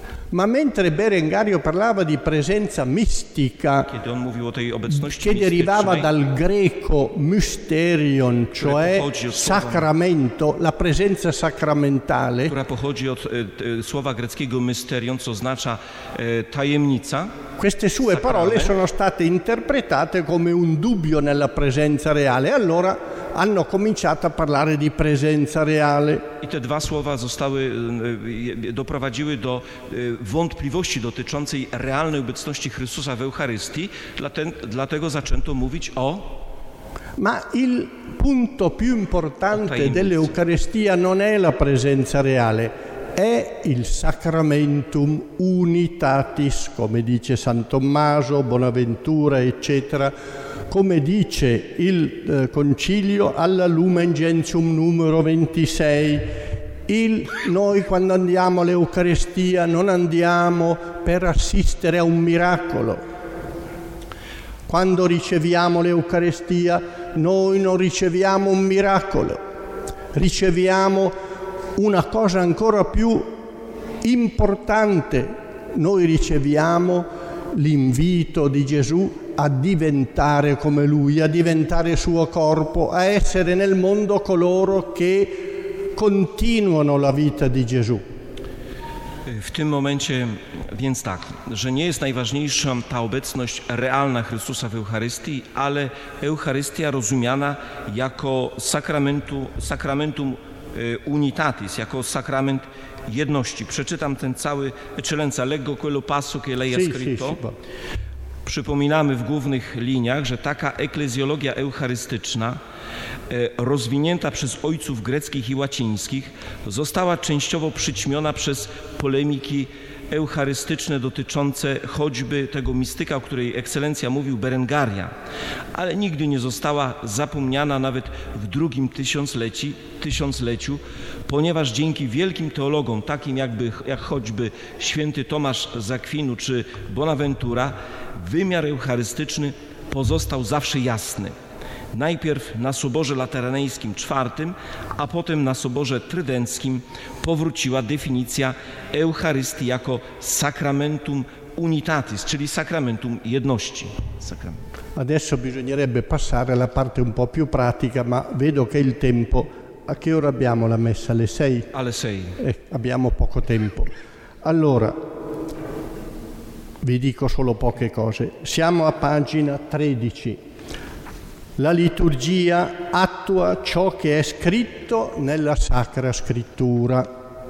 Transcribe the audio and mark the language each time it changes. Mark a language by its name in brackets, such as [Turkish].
[Italian] Ma mentre Berengario parlava di presenza mistica, che derivava dal greco mysterion, cioè sacramento, la presenza sacramentale, [Polish] która pochodzi od słowa greckiego mysterion, co oznacza tajemnica, [Italian] queste sue parole sono state interpretate come un dubbio nella presenza reale. Allora hanno cominciato a parlare di presenza reale. [Polish] I te dwa słowa zostały, doprowadziły do wątpliwości dotyczącej realnej obecności Chrystusa w Eucharystii, dlatego zaczęto mówić o... [Italian] Ma il punto più importante dell'Eucaristia non è la presenza reale, è il sacramentum unitatis, come dice San Tommaso, Bonaventura, eccetera, come dice il Concilio alla Lumen Gentium numero 26. Noi quando andiamo all'Eucaristia non andiamo per assistere a un miracolo. Quando riceviamo l'Eucaristia noi non riceviamo un miracolo, riceviamo una cosa ancora più importante: noi riceviamo l'invito di Gesù a diventare come Lui, a diventare suo corpo, a essere nel mondo coloro che continuano la vita di Gesù. [Polish] W tym momencie, więc tak, że nie jest najważniejsza ta obecność realna Chrystusa w Eucharystii, ale Eucharystia rozumiana jako sakramentum unitatis, jako sakrament jedności. Przeczytam ten cały [Italian] Eccellenza, leggo quello passo che lei ha scritto. [Polish] Przypominamy w głównych liniach, że taka eklezjologia eucharystyczna, rozwinięta przez ojców greckich i łacińskich, została częściowo przyćmiona przez polemiki eucharystyczne dotyczące choćby tego mistyka, o której Ekscelencja mówił, Berengaria, ale nigdy nie została zapomniana nawet w drugim tysiącleciu, ponieważ dzięki wielkim teologom, takim jak choćby święty Tomasz z Akwinu czy Bonaventura, wymiar eucharystyczny pozostał zawsze jasny. Najpierw na Soborze Lateraneńskim IV, a potem na Soborze Trydenckim powróciła definicja Eucharystii jako sacramentum unitatis, czyli sacramentum jedności. [Italian] Adesso bisognerebbe passare alla parte un po' più pratica, ma vedo che il tempo... A che ora abbiamo la messa? Alle 6? Alle 6. Abbiamo poco tempo. Allora, vi dico solo poche cose. Siamo a pagina 13. La liturgia attua ciò che è scritto nella Sacra Scrittura.